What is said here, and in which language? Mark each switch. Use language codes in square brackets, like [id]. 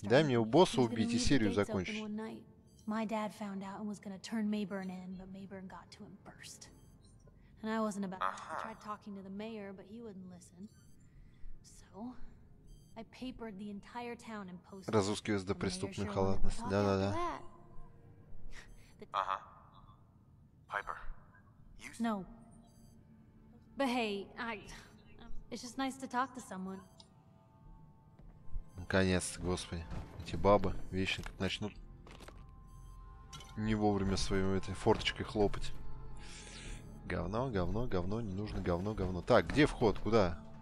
[ru] Дай мне у босса убить и серию закончить. [en] My dad found out and was gonna turn Mayburn in, but Mayburn got to him first. And I wasn't about to. I tried talking to the mayor, but he wouldn't listen. So I papered the entire town and posted. [ru] Разыскиваю до преступных халатности. Да. [en] Uh-huh. Piper. No. But hey, it's just nice to talk to someone. [ru] Наконец-то, господи. Эти бабы, вечно как начнут не вовремя своей этой форточкой хлопать. Говно, говно, говно, не нужно говно, говно. Так, где вход? Куда?